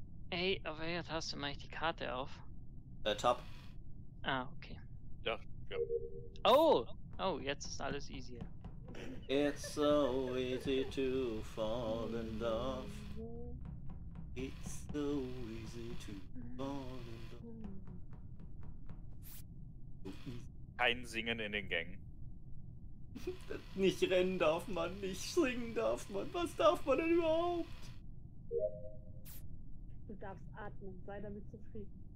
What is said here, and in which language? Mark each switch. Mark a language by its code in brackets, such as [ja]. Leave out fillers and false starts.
[de] Ey, auf welcher Taste mache ich die Karte auf? Tab. Ah, okay. Ja. Oh, jetzt ist alles easier. [en] It's so easy to fall in love. It's so easy to fall in love. [de] Kein Singen in den Gängen. Nicht rennen darf man, nicht singen darf man. Was darf man denn überhaupt? Du darfst atmen, sei damit zufrieden.